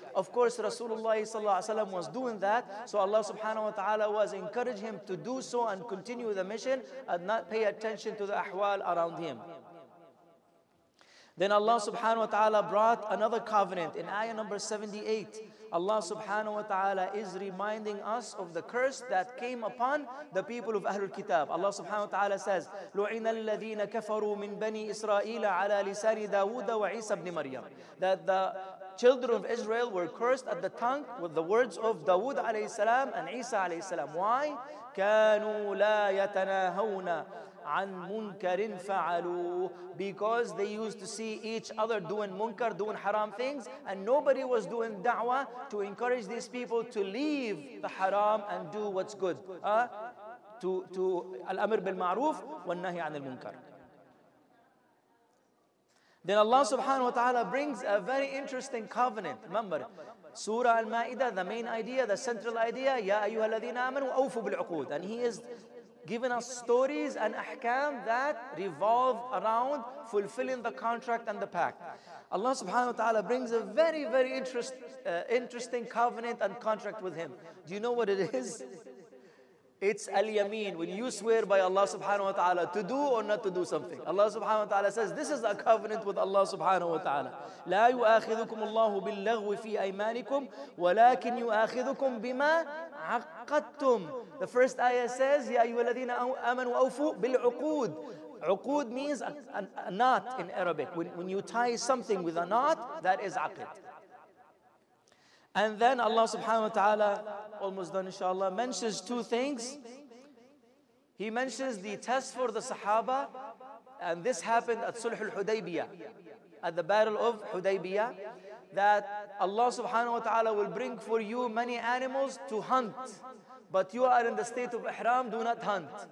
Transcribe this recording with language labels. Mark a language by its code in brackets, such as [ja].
[en] Of course, Rasulullah sallallahu alayhi wa sallam was doing that. So Allah subhanahu wa ta'ala was encouraging him to do so and continue the mission and not pay attention to the ahwal around him. Then Allah subhanahu wa ta'ala brought another covenant. In ayah number 78, Allah subhanahu wa ta'ala is reminding us of the curse that came upon the people of Ahlul Kitab. Allah subhanahu wa ta'ala says, [ar] لُعِنَ الَّذِينَ كَفَرُوا مِنْ بَنِي إِسْرَائِيلَ عَلَى لِسَانِ دَاوُدَ وَعِيسَى بْنِ مَرْيَمَ. [en] That the children of Israel were cursed at the tongue with the words of Dawood alayhi salam and Isa alayhi salam. Why? [ar] كَانُوا لَا يَتَنَاهَوْنَا عَنْ مُنْكَرٍ فَعَلُوا. [en] Because they used to see each other doing munkar, doing haram things, and nobody was doing da'wah to encourage these people to leave the haram and do what's good. To [ar] الأمر بالمعروف والنهي عن المنكر. [en] Then Allah subhanahu wa ta'ala brings a very interesting covenant. Remember, Surah Al-Ma'idah, the main idea, the central idea, [ar] يَا أَيُّهَا الَّذِينَ آمَنُوا أَوْفُوا بِالْعُقُودِ. [en] And he is given us stories and ahkam that revolve around fulfilling the contract and the pact. Allah subhanahu wa ta'ala brings a very, very interesting covenant and contract with him. Do you know what it is? It's al-yameen, when you swear by Allah subhanahu wa ta'ala to do or not to do something. Allah subhanahu wa ta'ala says, this is a covenant with Allah subhanahu wa ta'ala. [ar] لَا يُؤَاخِذُكُمُ اللَّهُ بِاللَّغْوِ فِي أَيْمَانِكُمْ وَلَكِنْ يُؤَاخِذُكُمْ بِمَا عَقَّدْتُمْ. [en] The first ayah says, [ar] يَا أَيُّهَا الَّذِينَ آمَنُوا أَوْفُوا بِالْعُقُودِ. [en] عُقُود means a knot in Arabic. When you tie something with a knot, that is عَقِد. And then Allah subhanahu wa ta'ala, almost done inshallah, mentions two things. He mentions the test for the Sahaba, and this happened at Sulh al-Hudaybiyah, at the Battle of Hudaybiyah, that Allah subhanahu wa ta'ala will bring for you many animals to hunt, but you are in the state of ihram, do not hunt.